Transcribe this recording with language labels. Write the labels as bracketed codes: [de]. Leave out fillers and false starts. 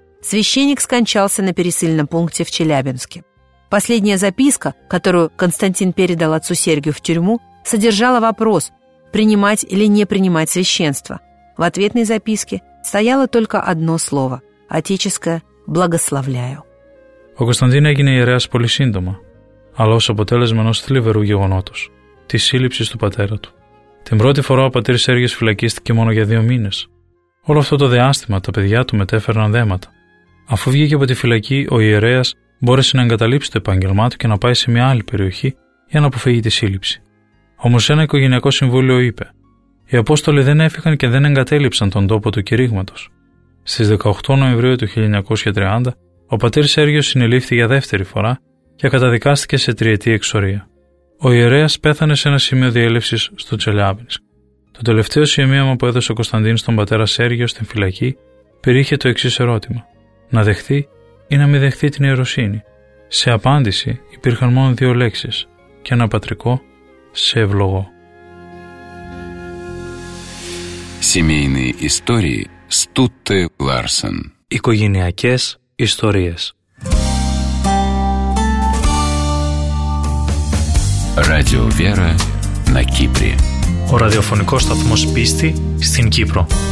[ru] Священник скончался на пересыльном пункте в Челябинске. Последняя записка, которую Константин передал отцу Сергию в тюрьму, содержала вопрос, принимать или не принимать священство. В ответной записке стояло только одно слово – отеческое «благословляю». [el] Ο Константин έγινε ιερέας πολύ σύντομα. αλλά ως αποτέλεσμα ενός θλιβερού γεγονότος, της σύλληψης του πατέρα του. Την πρώτη φορά ο πατήρ Σέργιος φυλακίστηκε μόνο για 2 μήνες. Όλο αυτό το διάστημα τα παιδιά του μετέφεραν δέματα. Αφού βγήκε από τη φυλακή, ο ιερέας μπόρεσε να εγκαταλείψει το επάγγελμά του και να πάει σε μια άλλη περιοχή για να αποφύγει τη σύλληψη. Όμως ένα οικογενειακό συμβούλιο είπε: οι Απόστολοι δεν έφυγαν και δεν εγκατέλειψαν τον τόπο του κηρύγματος. Στις 18 Νοεμβρίου του 1930, ο πατήρ Σέργιος συνελήφθη για δεύτερη φορά και καταδικάστηκε σε 3ετή εξορία. Ο ιερέας πέθανε σε ένα σημείο διέλευσης στο Τσελιάβινσκ. Το τελευταίο σημείωμα που έδωσε ο Κωνσταντίνος στον πατέρα Σέργιο στην φυλακή περιείχε το εξής ερώτημα: να δεχθεί ή να μην δεχθεί την ιεροσύνη. Σε απάντηση υπήρχαν μόνο 2 λέξεις και ένα πατρικό «Σε ευλογώ». [ru] Семейные истории Стутте Ларсен. [el] Οικογενειακές ιστορίες. [ru] Радио Вера на Кипре. [el] Ο ραδιοφωνικός σταθμός πίστη στην Κύπρο.